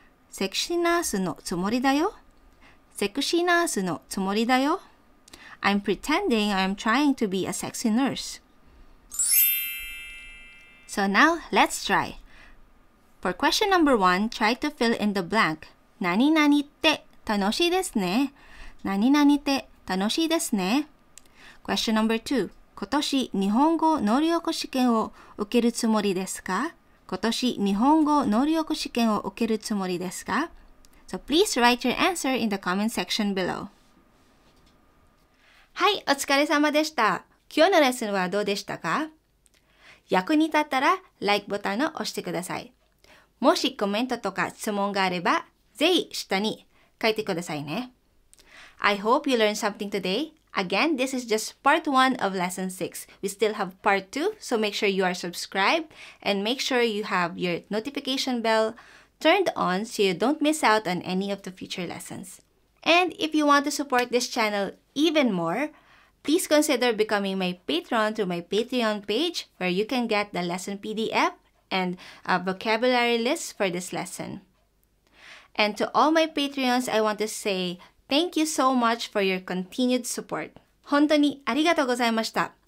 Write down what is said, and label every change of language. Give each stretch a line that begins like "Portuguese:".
Japanese: セクシーナースのつもりだよ。セクシーナースのつもりだよ。
English: I'm pretending I'm trying to be a sexy nurse. So now let's try. For question number one, try to fill in the blank.
Japanese: 何々って楽しいですね。何々って楽しいですね。
English: Question number two.
Japanese: 今年日本語能力試験を受けるつもりですか? 今年日本語能力試験を受けるつもりですか?
English: So please write your answer in the comment section below.
Japanese: はい、お疲れ様でした。今日のレッスンはどうでしたか?役に立ったら LIKE ボタンを押してください。もしコメントとか質問があれば、ぜひ下に書いてくださいね。
English: I hope you learned something today. Again, this is just part 1 of lesson 6. We still have part 2, so make sure you are subscribed and make sure you have your notification bell turned on so you don't miss out on any of the future lessons. And if you want to support this channel even more, please consider becoming my patron through my Patreon page where you can get the lesson PDF and a vocabulary list for this lesson. And to all my Patreons, I want to say,Thank you so much for your continued support.
Japanese: 本当にありがとうございました。